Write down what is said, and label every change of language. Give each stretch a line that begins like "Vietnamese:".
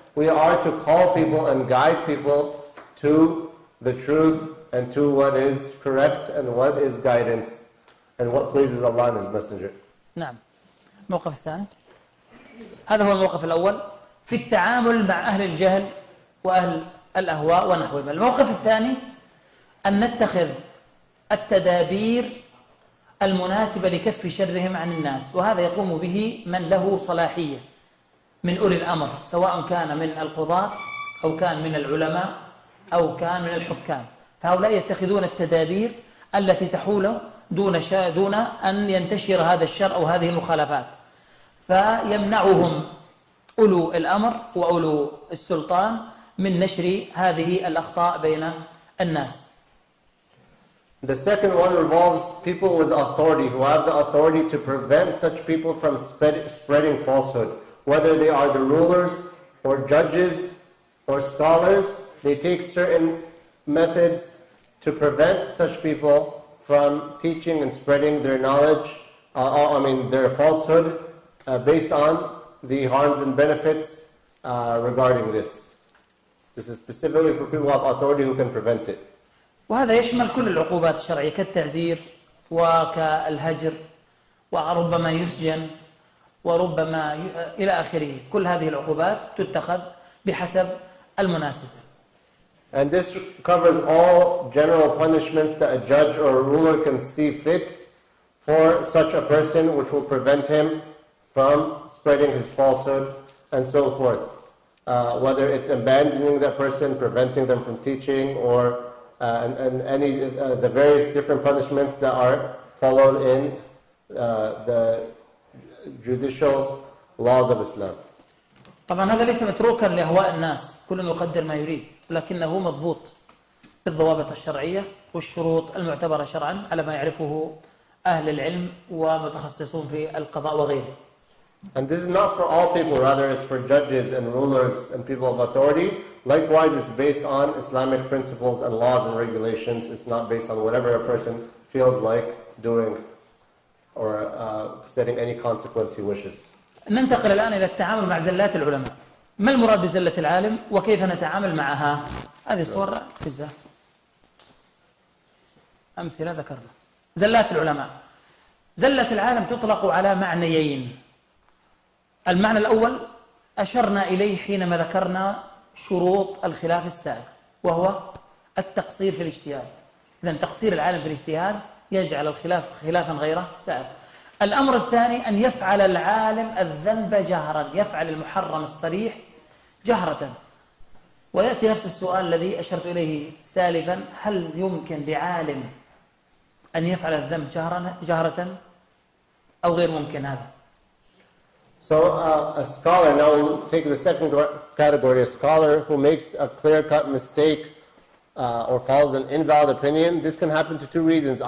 English: We are to call people and guide people to the truth and to what is correct and what is guidance and what pleases Allah and His Messenger.
Arabic: نعم موقف الثاني هذا هو الموقف الأول في التعامل مع أهل الجهل وأهل الأهواء ونحوهم. الموقف الثاني أن نتخذ التدابير المناسبة لكف شرهم عن الناس، وهذا يقوم به من له صلاحية من أولي الأمر، سواء كان من القضاة أو كان من العلماء أو كان من الحكام، فهؤلاء يتخذون التدابير التي تحول دون أن ينتشر هذا الشر أو هذه المخالفات، فيمنعهم أولو الأمر وأولو السلطان من نشر هذه الأخطاء بين الناس.
English: The second one involves people with authority who have the authority to prevent such people from spreading falsehood. Whether they are the rulers or judges or scholars, they take certain methods to prevent such people from teaching and spreading their knowledge, their falsehood, based on the harms and benefits regarding this. This is specifically for people who have authority who can prevent it.
Arabic: وهذا يشمل كل العقوبات الشرعية كالتعزير وكالهجر وربما يسجن وربما إلى آخره. كل هذه العقوبات تتخذ بحسب المناسب.
English: And this covers all general punishments that a judge or a ruler can see fit for such a person which will prevent him from spreading his falsehood and so forth. Whether it's abandoning that person, preventing them from teaching or the various different punishments that are followed in the judicial laws of Islam.
Arabic: طبعا هذا ليس متروكا لأهواء الناس كل يقدر ما يريد لكنه مضبوط بالضوابط الشرعية والشروط المعتبرة شرعا على ما يعرفه أهل العلم ومتخصصون في القضاء وغيره.
English: And this is not for all people, rather it's for judges and rulers and people of authority. Likewise, it's based on Islamic principles and laws and regulations. It's not based on whatever a person feels like doing or setting any consequence he wishes.
Arabic: ننتقل الآن إلى التعامل مع زلات العلماء. ما المراد بزلة العالم وكيف نتعامل معها؟ هذه صورة فزة. أمثلة ذكرنا. زلات العلماء. زلة العالم تطلق على معنيين. المعنى الأول أشرنا إليه حينما ذكرنا شروط الخلاف السائغ وهو التقصير في الاجتهاد. إذن تقصير العالم في الاجتهاد يجعل الخلاف خلافا غيره سائغ. الأمر الثاني أن يفعل العالم الذنب جهرا، يفعل المحرم الصريح جهرة. ويأتي نفس السؤال الذي أشرت إليه سالفا، هل يمكن لعالم أن يفعل الذنب جهرة أو غير ممكن هذا؟
English: So a scholar, now we'll take the second category, a scholar who makes a clear-cut mistake or follows an invalid opinion, this can happen to two reasons.